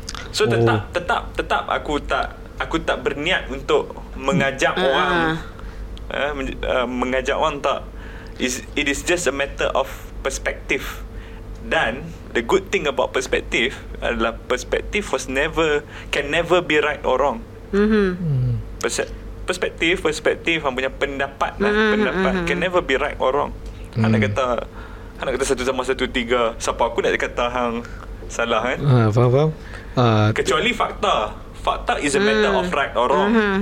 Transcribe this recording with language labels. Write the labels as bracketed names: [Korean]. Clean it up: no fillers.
[Malay] So tetap aku tak berniat untuk mengajak orang. Mengajak orang tak. [English] It is just a matter of perspective. [Malay] Dan [English] the good thing about perspective [Malay] adalah [English] perspective was never, can never be right or wrong. [Malay] Perspective punya pendapat lah. [English] Can never be right or wrong. [Malay] Anak kata satu sama satu tiga, siapa aku nak kata hang salah kan? Faham. Kecuali fakta. [English] Fakta is a matter of right or wrong.